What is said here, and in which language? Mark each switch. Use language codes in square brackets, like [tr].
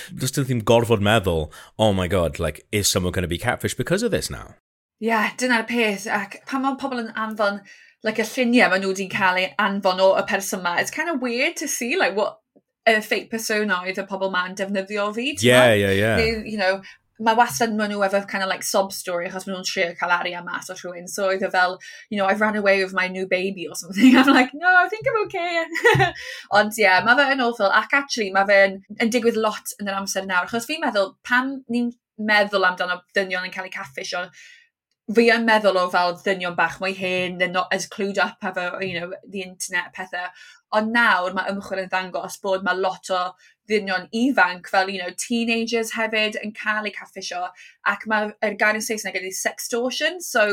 [cy] Does dim ddim gorfod meddwl, [en] oh my god, like, is someone going to be catfish because of this now? [cy] Yeah, dyna'r peth. Ac pan mae pobl yn anfon, like, y lluniau maen nhw wedi'n cael eu anfon o y person yma, [en] it's kind of weird to see, like, what a fake persona [cy] oedd y pobl yma yn defnyddio fi. Yeah. [en] They, you know, [cy] mae wastad maen nhw efo [en] kind of like [cy] sob stori achos maen nhw'n trio cael arian mas o rhywun. So oedd fel, [en] you know, I've ran away with my new baby or something. I'm like, no, I think I'm okay. [cy] Ond yeah, mae fe yn awful. Ac actually, mae fe yn digwydd lot yn yr amser nawr. Achos fi'n meddwl, pan ni'n meddwl amdano dynion yn cael eu caffis o, fi yn meddwl o fel dynion bach mwy hen, [en] they're not as clued up [cy] efo, [en] you know, the internet [cy] pethau. Ond nawr mae ymchwil yn ddangos bod mae lot o ddynion ifanc fel, [en] you know, teenagers [cy] hefyd yn cael eu caffisio, ac mae'r gair yn Saesneg ydy sextortion, so